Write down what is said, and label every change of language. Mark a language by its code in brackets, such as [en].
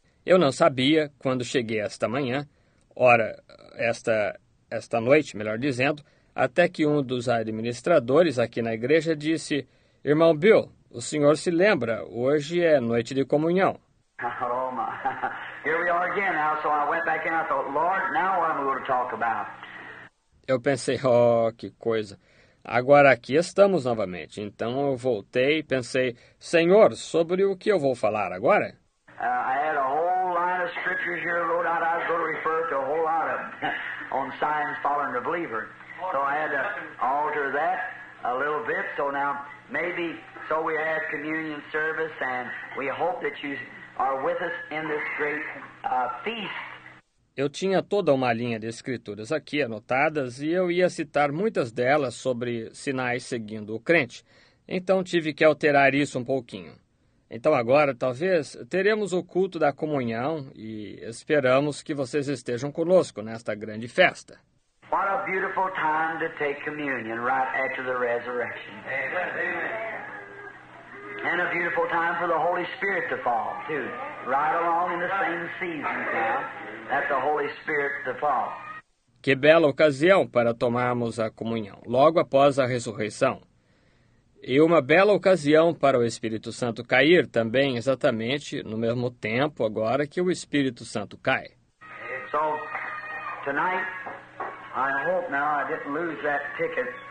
[pt] Eu não sabia quando cheguei esta manhã, ora, esta noite, melhor dizendo, até que um dos administradores aqui na igreja disse, Irmão Bill, o senhor se lembra, hoje é noite de comunhão. [en] Oh, my. Here we are again now. So I went back in. I thought, Lord, now what am I going to talk about? [pt] Eu pensei, oh, que coisa. Agora aqui estamos novamente. Então eu voltei e pensei, Senhor, sobre o que eu vou falar agora? [en] I had a whole line of scriptures here, Lord, I was going to refer to a whole lot of on signs following the believer. So I had to alter that a little bit. So now, maybe. So we have communion service and we hope that you are with us in this great feast. [pt] Eu tinha toda uma linha de escrituras aqui anotadas e eu ia citar muitas delas sobre sinais seguindo o crente, então tive que alterar isso um pouquinho. Então agora, talvez, teremos o culto da comunhão e esperamos que vocês estejam conosco nesta grande festa. [en] What a beautiful time to take communion right after the resurrection. Amen. And a beautiful time for the Holy Spirit to fall, too. Right along in the same season, too. That's the Holy Spirit to fall. [pt] Que bela ocasião para tomarmos a comunhão, logo após a ressurreição. E uma bela ocasião para o Espírito Santo cair também, exatamente no mesmo tempo agora que o Espírito Santo cai. [en] So, tonight, I hope now I didn't lose that ticket.